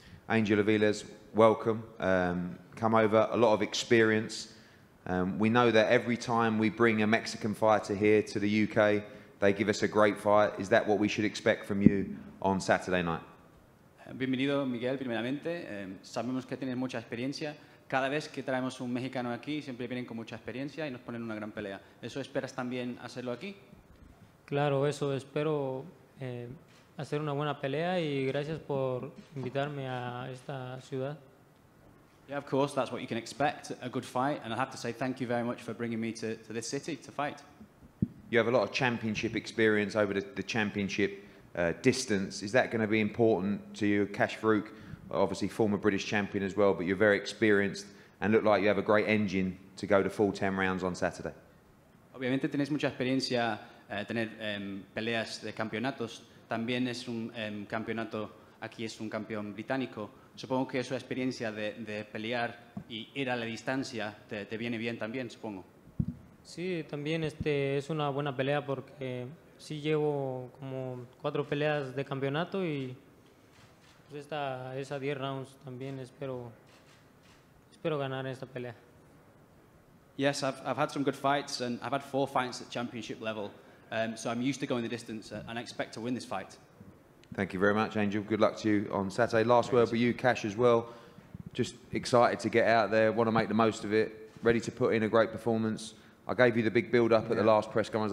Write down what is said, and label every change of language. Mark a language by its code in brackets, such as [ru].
[en] Angel Aviles, welcome. Come over, a lot of experience. We know that every time we bring a Mexican fighter here to the UK, they give us a great fight. Is that what we should expect from you on Saturday night? [es] Bienvenido, Miguel, primeramente. Sabemos que tienes mucha experiencia. Cada vez que traemos un mexicano aquí, siempre vienen con mucha experiencia y nos ponen una gran pelea. ¿Eso esperas también hacerlo aquí? Claro, eso espero. Hacer una buena pelea y gracias por invitarme a esta ciudad. [en] Yeah, of course, that's what you can expect, a good fight, and I have to say thank you very much for bringing me to this city to fight. You have a lot of championship experience over the championship distance. Is that going to be important to you? Kash Farooq, obviously former British champion as well, but you're very experienced and look like you have a great engine to go to full 10 rounds on Saturday. [es] Obviamente tienes mucha experiencia tener peleas de campeonatos. También es un campeonato, aquí es un campeón británico. Supongo que su experiencia de pelear y ir a la distancia te viene bien también, supongo. Sí, también es una buena pelea porque sí llevo como 4 peleas de campeonato y pues esa 10 rounds también espero ganar esta pelea. [en] Yes, I've had some good fights and I've had 4 fights at championship level. So I'm used to going the distance and I expect to win this fight. Thank you very much, Angel. Good luck to you on Saturday. Last word for you, Kash, as well. Just excited to get out there, want to make the most of it, ready to put in a great performance. I gave you the big build-up at the last press conference.